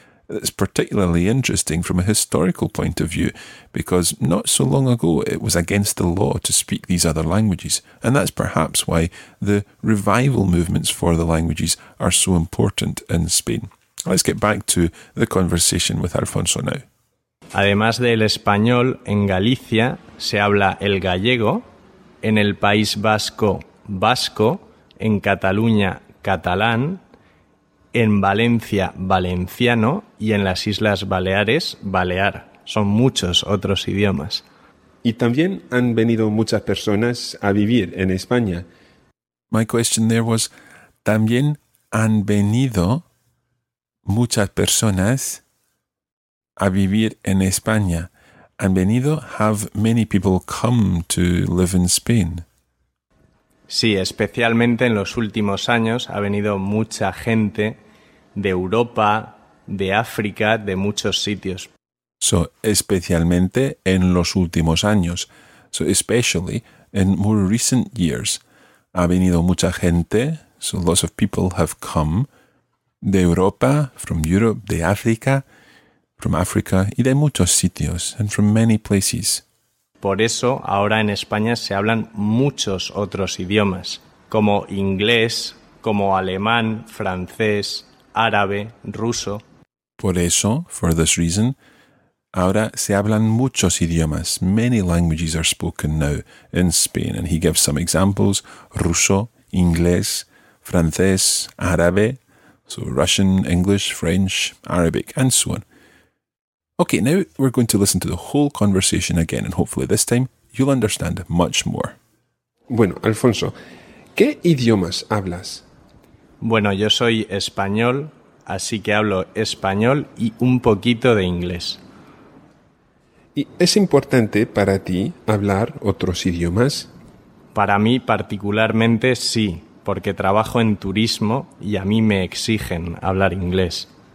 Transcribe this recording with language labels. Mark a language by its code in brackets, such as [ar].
[en] It's particularly interesting from a historical point of view, because not so long ago it was against the law to speak these other languages, and that's perhaps why the revival movements for the languages are so important in Spain. Let's get back to the conversation with Alfonso now. [es] Además del español, en Galicia se habla el gallego, en el País Vasco, vasco, en Cataluña, catalán, en Valencia, valenciano y en las Islas Baleares, balear. Son muchos otros idiomas. Y también han venido muchas personas a vivir en España. [en] My question there was, [es] también han venido muchas personas a vivir en España. Han venido, [en] have many people come to live in Spain. [es] Sí, especialmente en los últimos años ha venido mucha gente de Europa, de África, de muchos sitios. So, especialmente en los últimos años. [en] So, especially in more recent years. [es] Ha venido mucha gente, [en] so lots of people have come, [es] de Europa, [en] from Europe, [es] de África, [en] from Africa, [es] y de muchos sitios, [en] and from many places. [es] Por eso, ahora en España se hablan muchos otros idiomas, como inglés, como alemán, francés, árabe, ruso. Por eso, [en] for this reason, [es] ahora se hablan muchos idiomas. [en] Many languages are spoken now in Spain. And he gives some examples. [es] Ruso, inglés, francés, árabe. [en] So Russian, English, French, Arabic, and so on. Okay, now we're going to listen to the whole conversation again, and hopefully this time you'll understand much more. [es] Bueno, Alfonso, ¿qué idiomas hablas? Bueno, yo soy español, así que hablo español y un poquito de inglés. ¿Y es importante para ti hablar otros idiomas? Para mí particularmente sí, porque trabajo en turismo y a mí me exigen hablar inglés.